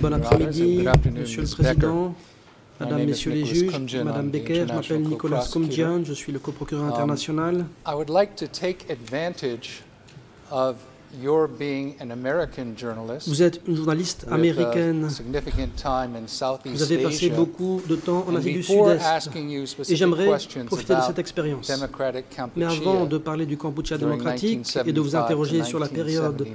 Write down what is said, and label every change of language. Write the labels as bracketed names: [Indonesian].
[French] Bon après-midi, Monsieur le Président, Madame, Messieurs les juges, Madame Becker. Je m'appelle Nicolas Comdjian. Je suis le coprocureur international. [English] I would like to take advantage of your being an American journalist. [French] Vous êtes une journaliste américaine. [English] Significant time in Southeast Asia. [French] Vous avez passé beaucoup de temps en Asie du Sud-Est. Et j'aimerais profiter de cette expérience. Mais avant de parler du Cambodge démocratique et de vous interroger sur la période